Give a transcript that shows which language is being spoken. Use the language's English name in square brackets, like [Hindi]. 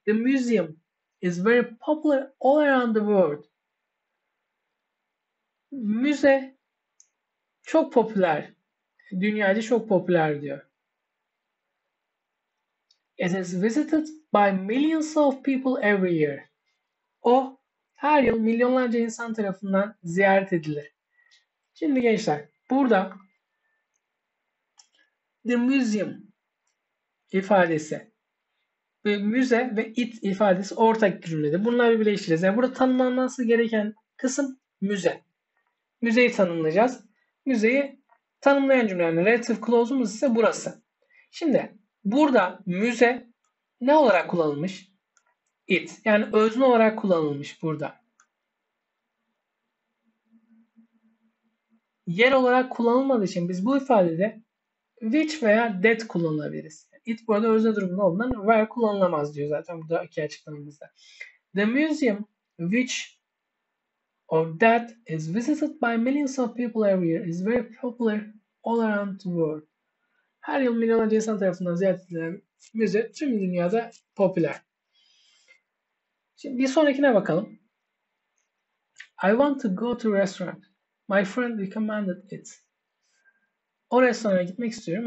[English] The museum is very popular all around the world. [Turkish] Müze çok popüler. Dünyada çok popüler diyor. [English] It is visited by millions of people every year. [Turkish] O her yıl milyonlarca insan tarafından ziyaret edilir. Şimdi gençler, burada the museum ifadesi ve müze ve it ifadesi ortak cümlede. Bunları birleştireceğiz. Yani burada tanımlanması gereken kısım müze. Müzeyi tanımlayacağız. Müzeyi tanımlayan cümle, yani relative clause'umuz ise burası. Şimdi burada müze ne olarak kullanılmış? It. Yani özne olarak kullanılmış burada. Yer olarak kullanılmadığı için biz bu ifadede which veya that kullanabiliriz. It burada özne durumunda olduğundan where kullanılamaz diyor zaten buradaki açıklamamızda. [English] The museum which of that is visited by millions of people every year is very popular all around the world. [Turkish] Her yıl milyonlarca insan tarafından ziyaret edilen müze tüm dünyada popüler. Şimdi bir sonrakine bakalım. [English] I want to go to a restaurant. My friend recommended it. [Turkish] O restorana gitmek istiyorum.